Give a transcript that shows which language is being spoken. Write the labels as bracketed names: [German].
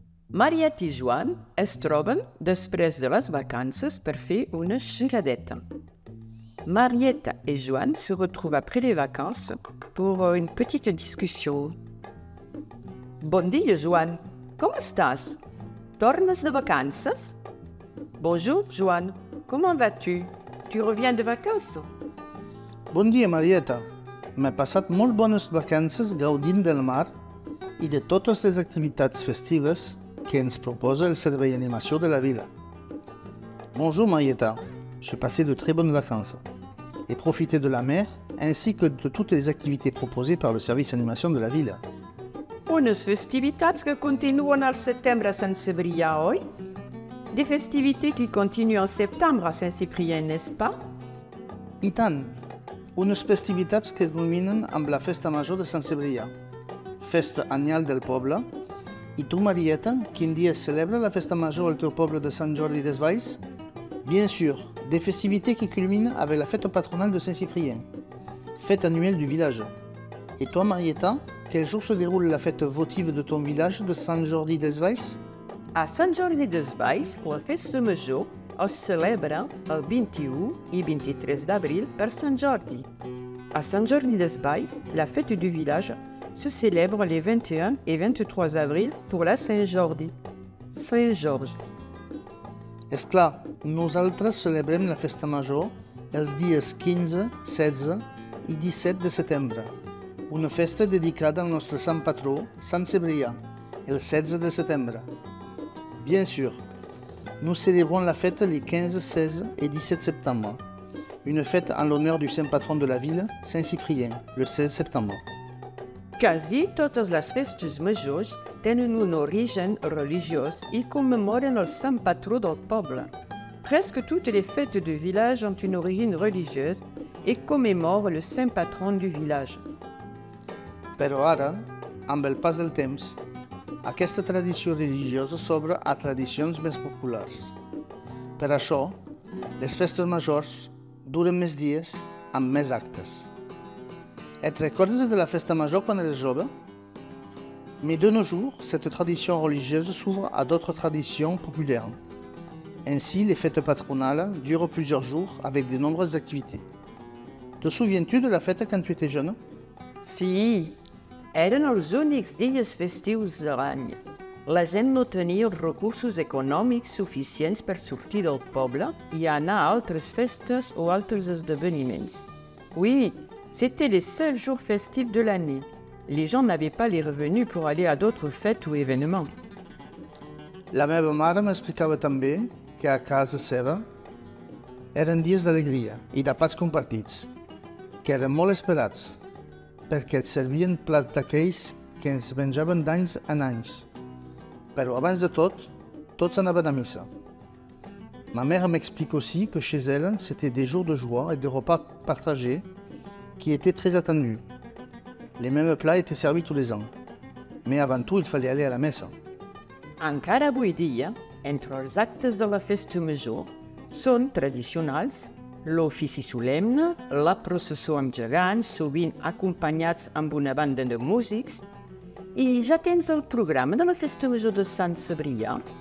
[Catalan] Mariette i Joan es troben després de les vacances per fer una xeradeta. [French] Mariette et Joan se retrouvent après les vacances pour une petite discussion. [Catalan] Bon dia, Joan. Com estàs? Tornes de vacances? [French] Bonjour, Joan. Comment vas-tu? Tu reviens de vacances? [Catalan] Bon dia, Marieta. M'he passat molt bones vacances gaudint del mar i de totes les activitats festives que ens proposa el Servei d'Animació de la Vila. [French] Bonjour, Marieta. J'ai passé de très bonnes vacances et profité de la mer ainsi que de toutes les activités proposées par le Service d'Animation de la Vila. [Catalan] Unes festivitats que continuen al setembre a Sant Cebrià, oi? [French] Des festivités qui continuent en septembre à Saint-Cyprien, n'est-ce pas? [Catalan] I tant! Unes festivitats que culminen amb la Festa Major de Sant Cebrià, festa anual del poble. I tu, Marieta, quin dia celebra la Festa Major al teu poble de Sant Jordi des Valls? [French] Bien sûr, des festivités qui culminent avec la fête patronale de Saint-Cyprien, fête annuelle du village. Et toi, Marieta, quel jour se déroule la fête votive de ton village de Sant Jordi des Valls? [Catalan] À Sant Jordi des Valls, la Festa Major es celebra el 21 i 23 d'avril per Sant Jordi. [French] À Sant Jordi des Valls, la fête du village se célèbre les 21 et 23 avril pour la Saint-Jordi. Saint-Georges. [Catalan] És clar, nosaltres celebrem la Festa Major els dies 15, 16 i 17 de setembre. Una festa dedicada al nostre Sant Patró, Sant Cebrià, el 16 de setembre. [French] Bien sûr, nous célébrons la fête les 15, 16 et 17 septembre. Une fête en l'honneur du Saint Patron de la ville, Saint Cyprien, le 16 septembre. [Catalan] Quasi totes les festes majors tenen un origen religiós i commemoren el Sant Patró del poble. [French] Presque toutes les fêtes de village ont une origine religieuse et commémorent le Saint Patron du village. [Catalan] Però ara, amb el pas del temps, aquesta tradició religiosa s'obre a tradicions més populars. Per això, les festes majors duren més dies amb més actes. Et recordes de la Festa Major quan eres jove? [French] Mais de nos jours, cette tradition religieuse s'ouvre à d'autres traditions populaires. Ainsi, les fêtes patronales durent plusieurs jours avec de nombreuses activités. Te souviens-tu de la fête quand tu étais jeune? [Catalan] Si, eren els únics dies festius de l'any. La gent no tenia els recursos econòmics suficients per sortir del poble i anar a altres festes o altres esdeveniments. [French] Oui, c'était les seuls jours festifs de l'année. Les gens n'avaient pas les revenus pour aller à d'autres fêtes ou événements. [Catalan] La meva mare m'explicava també que a casa seva eren dies d'alegria i de plats compartits, que eren molt esperats, perquè et servien plats d'aquells que ens menjaven d'anys en anys. Però abans de tot, tots anaven a missa. [French] Ma mère m'explica aussi que chez elle, c'était des jours de joie et de repas partagés qui étaient très attendus. Les mêmes plats étaient servis tous les ans. Mais avant tout, il fallait aller à la messe. [Catalan] Encara avui dia, entre els actes de la Festa Major, són tradicionals l'ofici solemne, la processó amb gegants, sovint acompanyats amb una banda de músics, i ja tens el programa de la Festa Major de Sant Cebrià.